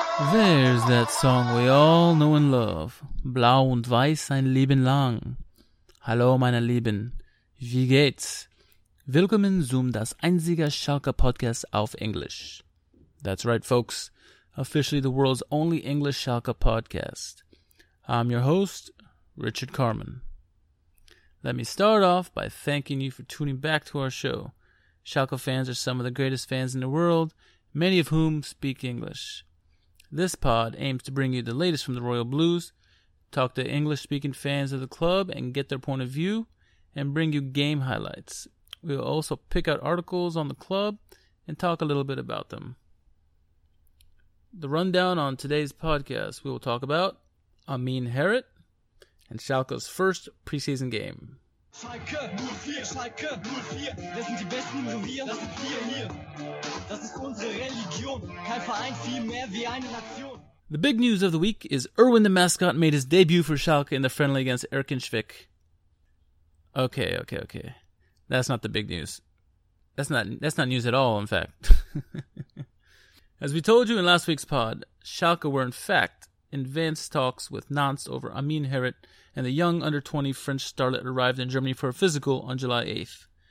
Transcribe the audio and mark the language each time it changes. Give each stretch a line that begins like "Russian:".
English: There's that song we all know and love.
German: Blau und Weiß ein Leben lang. Hallo meine Lieben, wie geht's? Willkommen zum das einzige Schalke-Podcast auf Englisch.
English: That's right, folks. Officially the world's only English Schalke podcast. I'm your host, Richard Carman. Let me start off by thanking you for tuning back to our show. Schalke fans are some of the greatest fans in the world, many of whom speak English. This pod aims to bring you the latest from the Royal Blues, talk to English-speaking fans of the club and get their point of view, and bring you game highlights. We will also pick out articles on the club and talk a little bit about them. The rundown on today's podcast, we will talk about Amin Harit and Schalke's first preseason game.
German: Schalke, 04, wir sind die Besten im Revier, das sind wir hier. Das ist unsere Religion, kein Verein, viel mehr wie eine Nation.
English: The big news of the week is Erwin the Mascot made his debut for Schalke in the friendly against Erkenschwick. Okay. That's not the big news. That's not news at all, in fact. As we told you in last week's pod, Schalke were, in fact, in advanced talks with Nantes over Amin Harit, and the young under-20 French starlet arrived in Germany for a physical on July 8th.